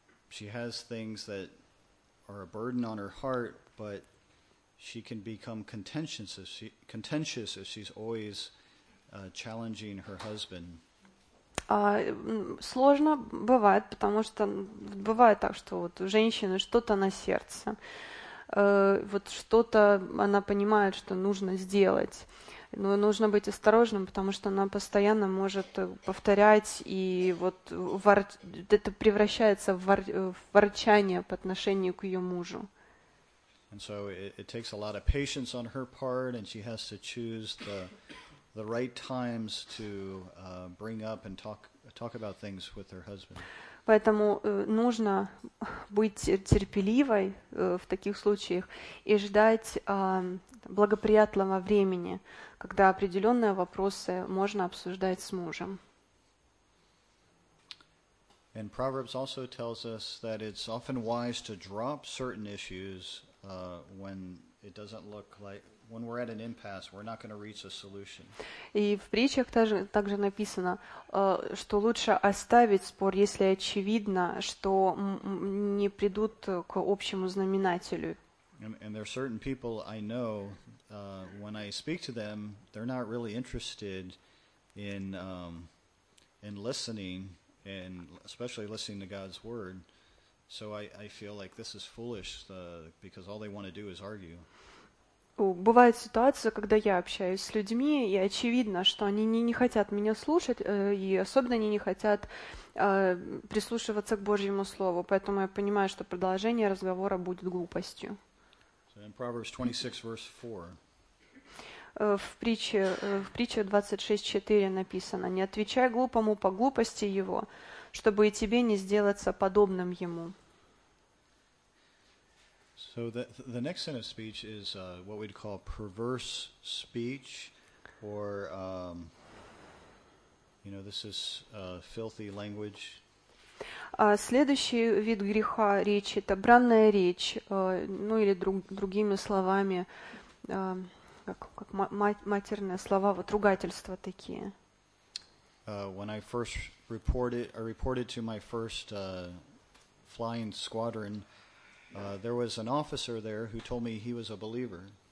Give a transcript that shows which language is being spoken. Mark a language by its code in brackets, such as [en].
[en] She has things that are a burden on her heart, but she can become contentious if she's always challenging her husband. [ru] Сложно бывает, потому что бывает так, что вот у женщины что-то на сердце. Вот что-то она понимает, что нужно сделать. Но нужно быть осторожным, потому что она постоянно может повторять, и вот это превращается в ворчание по отношению к ее мужу. [en] And so it takes a lot of patience on her part, and she has to choose the right times to bring up and talk about things with her husband. [ru] Поэтому нужно быть терпеливой в таких случаях и ждать благоприятного времени, когда определенные вопросы можно обсуждать с мужем. [en] And Proverbs also tells us that it's often wise to drop certain issues when it doesn't look like when we're at an impasse, we're not going to reach a solution. [ru] И в притчах также написано, что лучше оставить спор, если очевидно, что не придут к общему знаменателю. [en] And there are certain people I know when I speak to them, they're not really interested in listening and especially listening to God's word. So I feel like this is foolish because all they want to do is argue. [ru] Бывает ситуация, когда я общаюсь с людьми, и очевидно, что они не хотят меня слушать, и особенно они не хотят прислушиваться к Божьему слову. Поэтому я понимаю, что продолжение разговора будет глупостью. [en] So in Proverbs 26, verse 4. [ru] В притче 26:4 написано: «Не отвечай глупому по глупости его, чтобы и тебе не сделаться подобным ему». [en] So the next sin of speech is what we'd call perverse speech, or you know, this is filthy language. [ru] Следующий вид греха речи — это бранная речь, ну или другими словами, как матерные слова, вот ругательства такие. [en] When I first reported to my first flying squadron. There was an officer there who told me he was a believer.